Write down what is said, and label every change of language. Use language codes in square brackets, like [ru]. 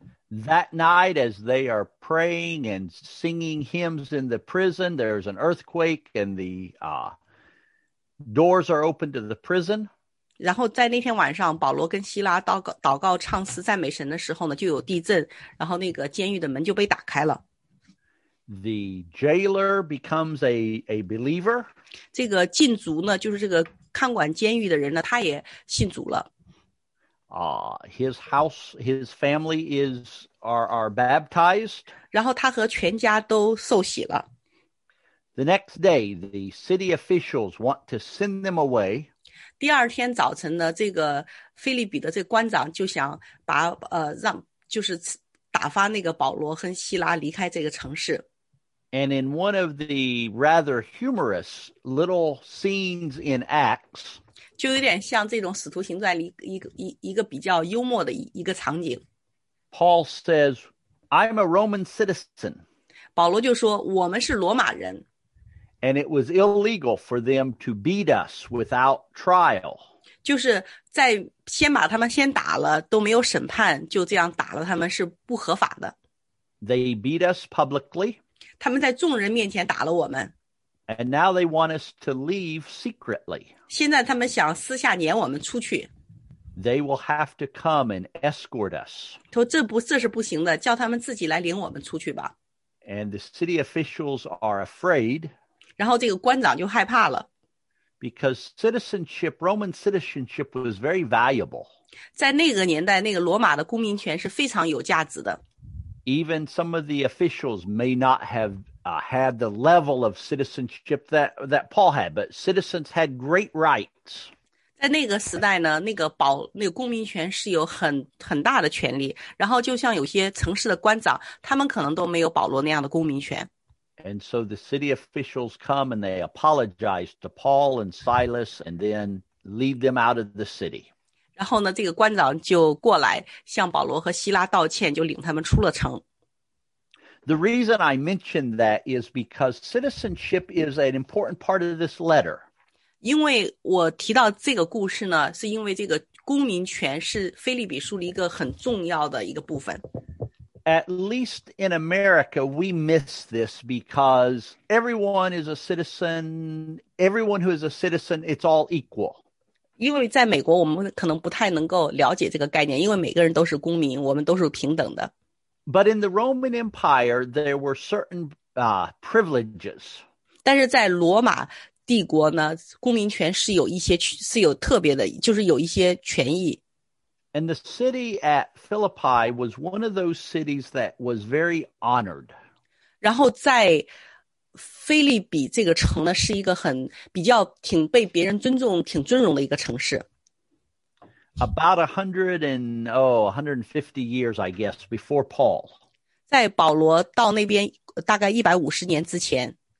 [en] That night, as they are praying and singing hymns in the prison, there's an earthquake and the doors are open to the prison. [zh] 然后在那天晚上，保罗跟希拉祷告、唱诗、赞美神的时候呢，就有地震，然后那个监狱的门就被打开了。 [en] The jailer becomes a believer. [zh] 这个禁足呢，就是这个看管监狱的人呢，他也信主了。 [en] His house, his family are baptized. [zh] 然后他和全家都受洗了。 [en] The next day, the city officials want to send them away. [zh] 第二天早晨呢，这个腓立比的这个官长就想把让就是打发那个保罗和希拉离开这个城市。 [en] And in one of the rather humorous little scenes in Acts, [zh] 就有点像这种使徒行传里一个比较幽默的一个场景。 [en] Paul says, "I'm a Roman citizen." [zh] 保罗就说我们是罗马人。 [en] And it was illegal for them to beat us without trial. [zh] 就是在先把他们先打了都没有审判，就这样打了他们是不合法的。 [en] They beat us publicly. [zh] 他们在众人面前打了我们。 [en] And now they want us to leave secretly. [zh] 现在他们想私下撵我们出去。 [en] They will have to come and escort us. [zh] 这是不行的，叫他们自己来领我们出去吧。 [en] And the city officials are afraid. [zh] 然后这个官长就害怕了。 [en] Because citizenship, Roman citizenship was very valuable. [zh] 在那个年代，那个罗马的公民权是非常有价值的。 [en] Even some of the officials may not have had the level of citizenship that Paul had, but citizens had great rights. [zh] 在那个时代呢，那个公民权是有很大的权利。然后就像有些城市的官长，他们可能都没有保罗那样的公民权。 [en] And so the city officials come and they apologize to Paul and Silas and then lead them out of the city. [zh] 然后呢，这个官长就过来向保罗和希拉道歉，就领他们出了城。 [en] The reason I mention that is because citizenship is an important part of this letter. [zh] 因为我提到这个故事呢，是因为这个公民权是腓立比书的一个很重要的一个部分。 [en] At least in America, we miss this because everyone is a citizen. Everyone who is a citizen, it's all equal. [zh] 因为在美国，我们可能不太能够了解这个概念，因为每个人都是公民，我们都是平等的。 [en] But in the Roman Empire, there were certain privileges. [zh] 但是在罗马帝国呢，公民权是有一些是有特别的，就是有一些权益。 [en] And the city at Philippi was one of those cities that was very honored. [zh] 然后在腓立比这个城呢，是一个很比较挺被别人尊重、挺尊荣的一个城市。 [en] About 150 years, I guess, before Paul. [zh] 在保罗到那边大概150年之前。